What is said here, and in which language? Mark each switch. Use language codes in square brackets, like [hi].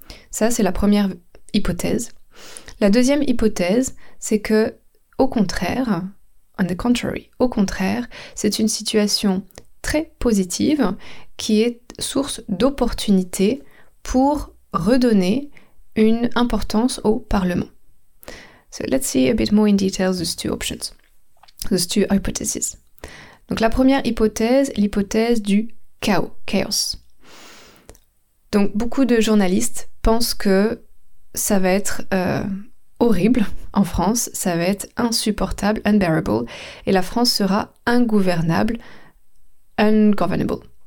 [fr] Ça, c'est la première hypothèse. La deuxième hypothèse, c'est que, au contraire, [en] on the contrary, [fr] au contraire, c'est une situation très positive qui est source d'opportunités pour redonner une importance au Parlement. [en] So let's see a bit more in detail the two options, the two hypotheses. [fr] Donc la première hypothèse, l'hypothèse du chaos, chaos. Donc beaucoup de journalistes pensent que ça va être horrible en France, ça va être insupportable, [en] unbearable, [fr] et la France sera ingouvernable, [en] ungovernable.